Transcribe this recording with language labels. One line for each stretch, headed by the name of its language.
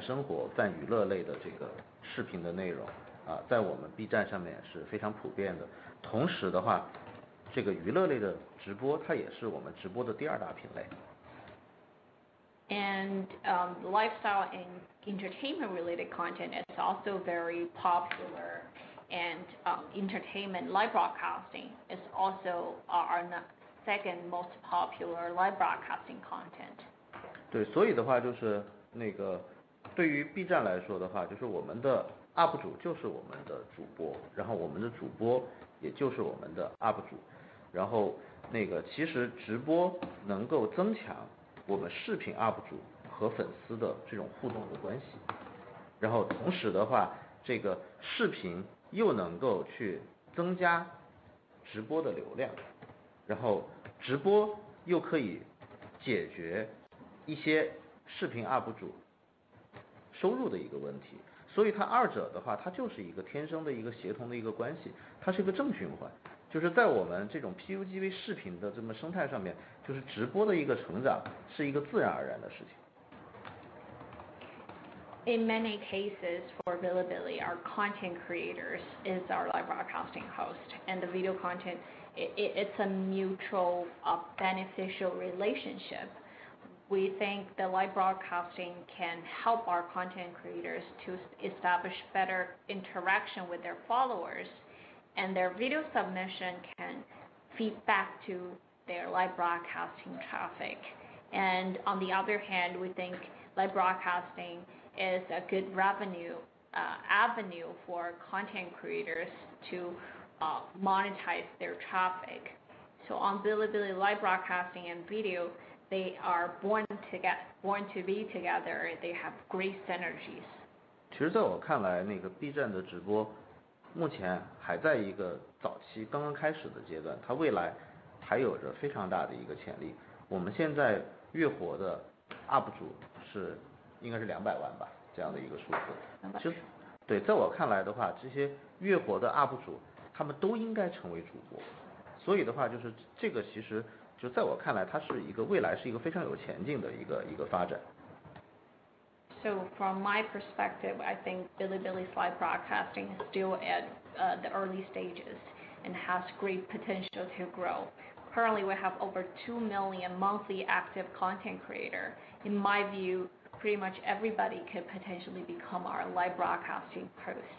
Chinese: 对，就比如说像我们的这种泛生活、泛娱乐类的这个视频的内容。在我们 B 站上面是非常普遍的。同时的话，这个娱乐类的直播，它也是我们直播的第二大品类。
English: And lifestyle and entertainment related content is also very popular. And entertainment live broadcasting is also our second most popular live broadcasting content.
Chinese: 对，所以的话就是那个，对于 B 站来说的话，就是我们的 UP 主就是我们的主播，然后我们的主播也就是我们的 UP 主，然后那个其实直播能够增强我们视频 UP 主和粉丝的这种互动的关系，然后同时的话，这个视频又能够去增加直播的流量，然后直播又可以解决一些视频 UP 主收入的一个问题。所以它二者的话，它就是一个天生的一个协同的一个关系，它是一个正循环，就是在我们这种 PUGV 视频的这么生态上面，就是直播的一个成长是一个自然而然的事情。
English: in many cases for Bilibili, our content creators is our live broadcasting host, and the video content, it's a mutual beneficial relationship. We think the live broadcasting can help our content creators to establish better interaction with their followers, and their video submission can feed back to their live broadcasting traffic. And on the other hand, we think live broadcasting is a good revenue avenue for content creators to monetize their traffic. So on Bilibili, live broadcasting and video, they are born to be together. They have great synergies.
Chinese: 其实在我看来，那个 B 站的直播目前还在一个早期刚刚开始的阶段，它未来还有着非常大的一个潜力。我们现在月活的 UP 主是应该是200万吧，这样的一个数字。其实，对，在我看来的话，这些月活的 UP 主，他们都应该成为主播。所以的话，就是这个其实就在我看来，它是一个未来是一个非常有前景的一个发展。
English: So from my perspective, I think Bilibili's live broadcasting is still at the early stages and has great potential to grow. Currently, we have over 2 million monthly active content creators. In my view, pretty much everybody could potentially become our live broadcasting host.